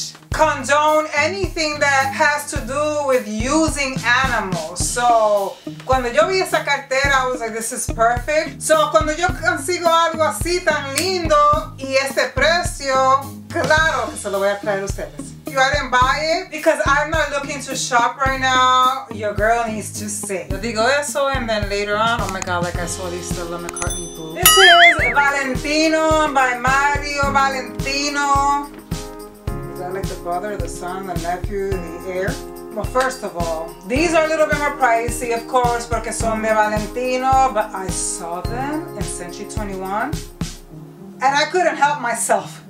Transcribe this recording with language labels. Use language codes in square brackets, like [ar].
[en] Condone anything that has to do with using animals. So, [es] cuando yo vi esa cartera, [en] I was like, this is perfect. [es] So, cuando yo consigo algo así tan lindo y este precio, claro que se lo voy a traer a ustedes. [en] You didn't buy it because I'm not looking to shop right now. Your girl needs to sit. [es] Yo digo eso, [en] and then later on, oh my God, like I saw these Stella McCartney boots. This is Valentino by Mario Valentino. Is that like the brother, the son, the nephew, the heir? Well, first of all, these are a little bit more pricey, of course, [es] porque son de Valentino, [en] but I saw them in Century 21, and I couldn't help myself.